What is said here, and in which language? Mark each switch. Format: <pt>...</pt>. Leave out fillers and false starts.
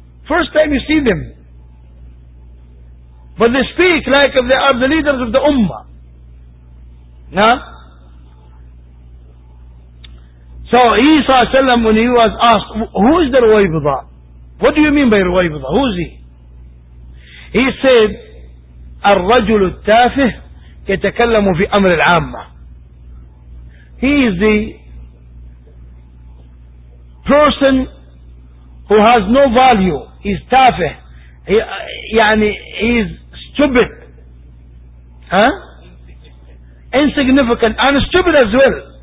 <en>First time you see them. But they speak like if they are the leaders of the ummah. No? So, Isa, when he was asked, who is the Ruwaybida? What do you mean by Ruwaybida? Who is he? He said,</en> <ar>الرجل التافه يتكلم في أمر العامة.</ar> <en>He is the person who has no value. He's tafeh. He's stupid. Insignificant. And stupid as well.</en>